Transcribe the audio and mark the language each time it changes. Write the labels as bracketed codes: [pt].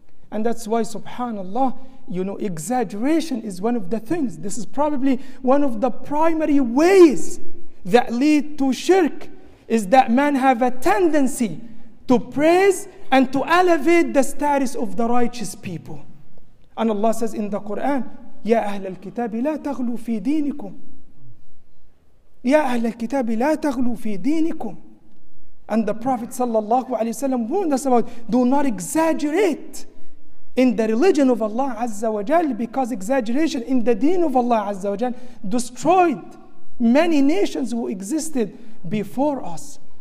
[en] And that's why, subhanAllah, you know, exaggeration is one of the things. This is probably one of the primary ways that lead to shirk, is that man have a tendency to praise and to elevate the status of the righteous people. And Allah says in the Quran, [ar] يَا أَهْلَ الْكِتَابِ لَا تَغْلُوا فِي دِينِكُمْ. يَا أَهْلَ الْكِتَابِ لَا تَغْلُوا فِي دِينِكُمْ. [en] And the Prophet sallallahu alayhi wa sallam warned us about, do not exaggerate in the religion of Allah Azza wa Jal, because exaggeration in the deen of Allah Azza wa Jal destroyed many nations who existed before us.